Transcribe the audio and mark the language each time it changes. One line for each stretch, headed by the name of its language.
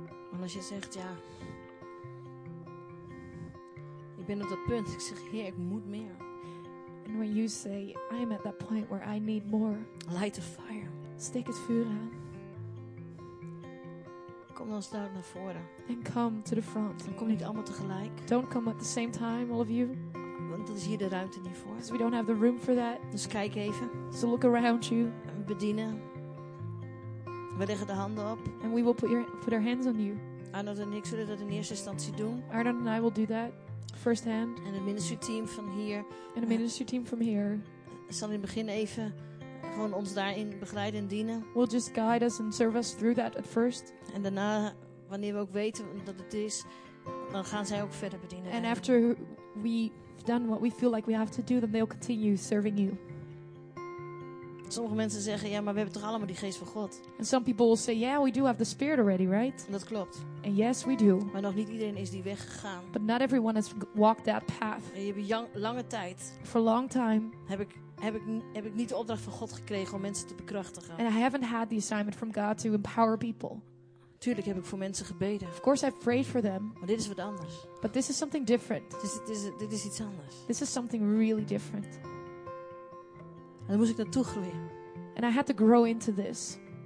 Dutch: Want als je zegt, ja, ik ben op dat punt. Ik zeg, Heer, ik moet meer.
English: And when you say, I'm at that point where I need more. Light the fire.
Dutch: Steek het vuur aan. Kom dan staan naar voren.
English: And come to the front.
Dutch: En kom niet allemaal tegelijk.
English: Don't come at the same time, all of you.
Dutch: Want dat is hier de ruimte niet voor.
English: Because we don't have the room for that.
Dutch: Dus kijk even.
English: So look around you.
Dutch: En bedienen. We leggen de handen op.
English: And we will put our hands on you.
Dutch: Arnold en ik zullen dat in eerste instantie doen.
English: Arnold and I will do that. Firsthand.
Dutch: En het ministry team van hier.
English: And the ministry team from here.
Dutch: Zal in het begin even gewoon ons daarin begeleiden en dienen.
English: Will just guide us and serve us through that at first.
Dutch: En daarna, wanneer we ook weten dat het is, dan gaan zij ook verder bedienen.
English: And after we've done what we feel like we have to do, then they'll continue serving you.
Dutch: Sommige mensen zeggen, ja, maar we hebben toch allemaal die geest van God.
English: And some people will say, yeah, we do have the spirit already, right?
Dutch: Dat klopt.
English: And yes, we do.
Dutch: Maar nog niet iedereen is die weg gegaan.
English: But not everyone has walked that path.
Dutch: En je hebt lange tijd.
English: For a long time.
Dutch: Heb ik niet de opdracht van God gekregen om mensen te bekrachtigen.
English: And I haven't had the assignment from God to empower people.
Dutch: Tuurlijk heb ik voor mensen gebeden.
English: Of course I've prayed for them.
Dutch: Maar dit is wat anders.
English: But this is something different.
Dutch: Dit is iets anders.
English: This is something really different.
Dutch: En dan moest ik naartoe groeien.
English: And I had to grow into this.